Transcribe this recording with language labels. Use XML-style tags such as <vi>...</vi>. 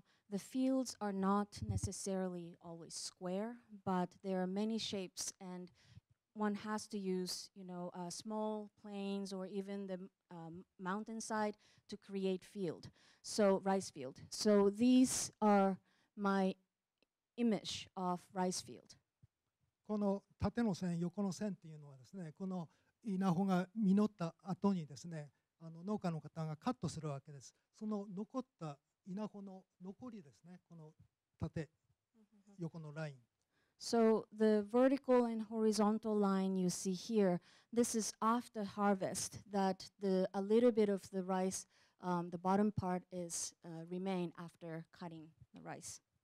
<en>the fields are not necessarily always square, but there are many shapes, and one has to use, you know, small plains or even the mountainside to create field, so rice field. So these are my image of rice field.</en> <ja>この縦の線、横の線っていうのはですね、この稲穂が実った後にですね、あの農家の方がカットするわけです。その残った稲穂の残りですね、この縦横のライン。</ja> <en>So the vertical and horizontal line you see here, this is after harvest, that the a little bit of the rice, the bottom part is remain after cutting the rice.</en>